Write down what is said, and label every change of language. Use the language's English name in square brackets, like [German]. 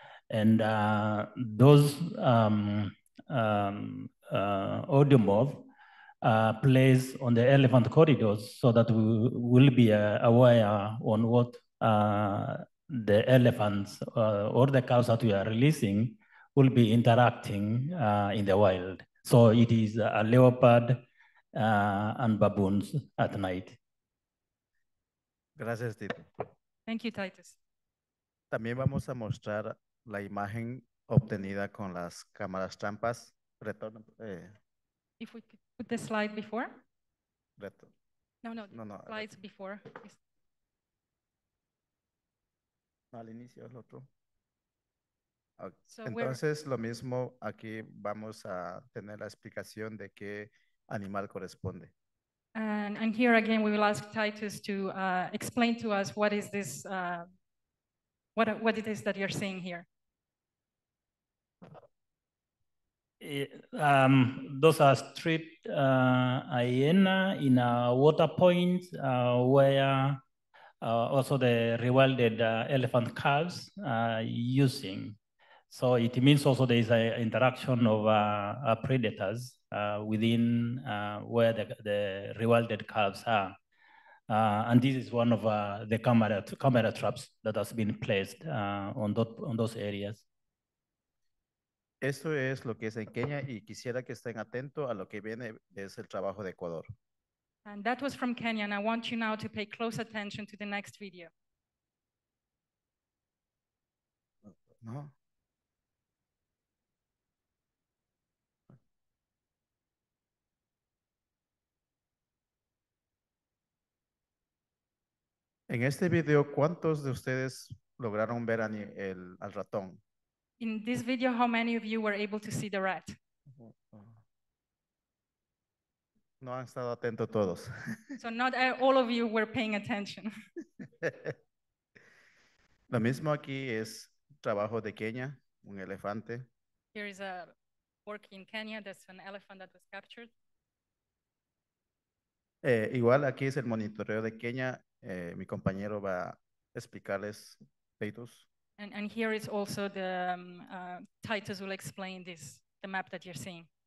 [English] And audio moth plays on the elephant corridors so that we will be aware on what the elephants or the cows that we are releasing will be interacting in the wild. So it is a leopard and baboons at night. [Spanish] Gracias, Tito. [English] Thank you, Titus. [Spanish] También vamos a mostrar la imagen obtenida con las cámaras trampas. Retorno. [English] If we could put the slide before. [Spanish] Retorno. [English] No. Slides before. [Spanish] Al inicio es lo otro. Entonces, lo mismo, aquí vamos a tener la explicación de qué animal corresponde. [English] And here again, we will ask Titus to explain to us what is this, what it is that you're seeing here. Those are stripped hyena in a water point where also the rewilded elephant calves are using. So it means also there is an interaction of predators within where the rewilded calves are. And this is one of the camera traps that has been placed on those areas. [Spanish] Esto es lo que es en Kenia y quisiera que estén atentos a lo que viene, es el trabajo de Ecuador. [English] And that was from Kenya, and I want you now to pay close attention to the next video. [Spanish] No. En este video, ¿cuántos de ustedes lograron ver al ratón? [English] In this video, how many of you were able to see the rat? [Spanish] No han estado atento todos. [English] So not all of you were paying attention. [Spanish] Lo mismo aquí es trabajo de Kenia, un elefante. [English] Here is a work in Kenya, that's an elephant that was captured. [Spanish] Igual aquí es el monitoreo de Kenia. Mi compañero va a explicarles datos. [English] And here is also the Titus will explain this, the map that you're seeing.